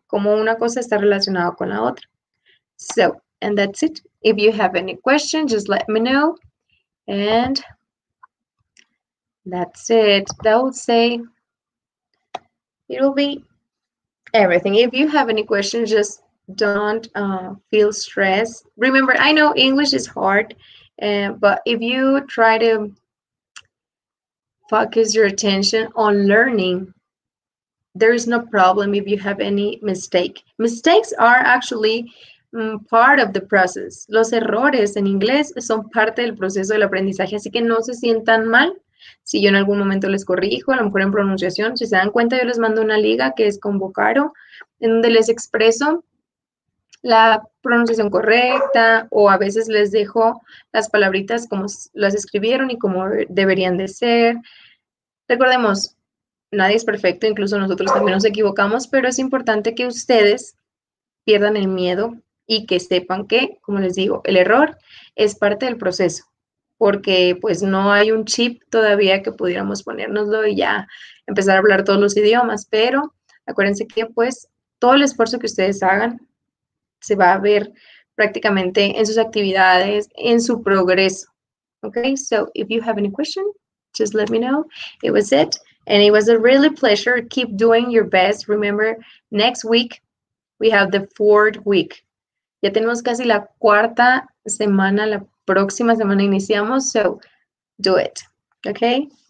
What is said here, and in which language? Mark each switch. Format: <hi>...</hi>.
<es>Como una cosa está relacionada con la otra.</es> <en>So, and that's it. If you have any questions, just let me know. And that's it. That will say, it will be everything. If you have any questions, just don't feel stressed. Remember, I know English is hard, but if you try to focus your attention on learning, there is no problem if you have any mistake. Mistakes are actually part of the process.</en> <es>Los errores en inglés son parte del proceso del aprendizaje, así que no se sientan mal. Si yo en algún momento les corrijo, a lo mejor en pronunciación, si se dan cuenta, yo les mando una liga que es con Vocaro, en donde les expreso la pronunciación correcta o a veces les dejo las palabritas como las escribieron y como deberían de ser. Recordemos, nadie es perfecto, incluso nosotros también nos equivocamos, pero es importante que ustedes pierdan el miedo y que sepan que, como les digo, el error es parte del proceso. Porque pues no hay un chip todavía que pudiéramos ponérnoslo y ya empezar a hablar todos los idiomas, pero acuérdense que pues todo el esfuerzo que ustedes hagan se va a ver prácticamente en sus actividades, en su progreso.</es> <en>Okay, so if you have any question, just let me know. It was it, and it was a really pleasure. Keep doing your best. Remember, next week we have the fourth week.</en> <es>Ya tenemos casi la cuarta semana, la próxima semana iniciamos,</es> <en>so do it. Okay?</en>